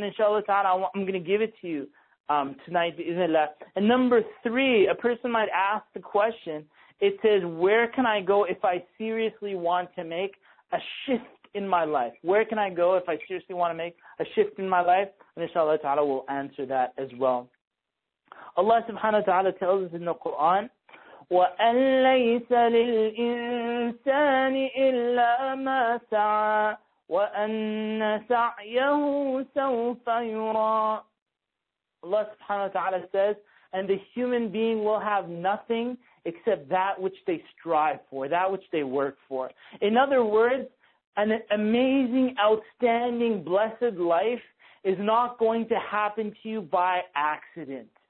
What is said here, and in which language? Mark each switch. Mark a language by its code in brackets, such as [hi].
[en] And inshallah ta'ala, I'm going to give it to you tonight, bi'idhnillah. And number three, a person might ask the question, it says, where can I go if I seriously want to make a shift in my life? Where can I go if I seriously want to make a shift in my life? And inshallah ta'ala will answer that as well. Allah subhanahu wa ta'ala tells us in the Quran, [ar] وَأَن لَيْسَ لِلْإِنسَانِ إِلَّا مَا سَعَى وَأَنَّ سَعْيَهُ سَوْفَ يُرَى. [en] Allah subhanahu wa ta'ala says, and the human being will have nothing except that which they strive for, that which they work for. In other words, an amazing, outstanding, blessed life is not going to happen to you by accident.